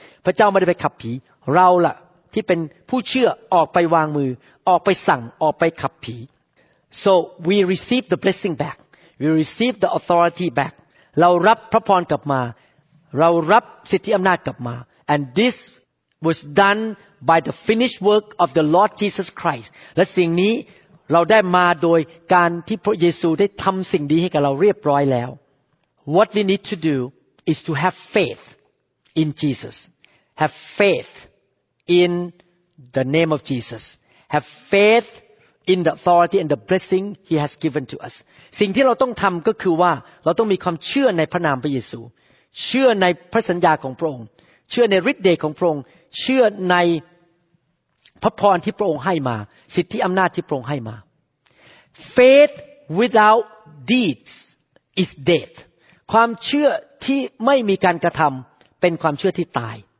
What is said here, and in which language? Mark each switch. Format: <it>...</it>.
<th>พระเจ้าไม่ได้ไปขับผีเราล่ะที่เป็นผู้เชื่อออกไปวางมือออกไปสั่งออกไปขับผี</th> <en>So we receive the blessing back we receive the authority back</en> <th>เรารับพระพรกลับมาเรารับสิทธิอำนาจกลับมา</th> <en>And this was done by the finished work of the Lord Jesus Christ.</en> <th>และสิ่งนี้เราได้มาโดยการที่พระเยซูได้ทำสิ่งดีให้กับเราเรียบร้อยแล้ว</th> <en>What we need to do is to have faith in Jesus. Have faith in the name of Jesus. Have faith in the authority and the blessing He has given to us.</en> <th>สิ่งที่เราต้องทำก็คือว่าเราต้องมีความเชื่อในพระนามพระเยซูเชื่อในพระสัญญาของพระองค์ ชื่อในฤทธิ์เดชของพระองค์เชื่อในพระพรที่พระองค์ให้มาสิทธิอำนาจที่พระองค์ให้มา</th> <en>Faith without deeds is dead</en> <th>ความเชื่อที่ไม่มีการกระทำเป็นความเชื่อที่ตาย</th>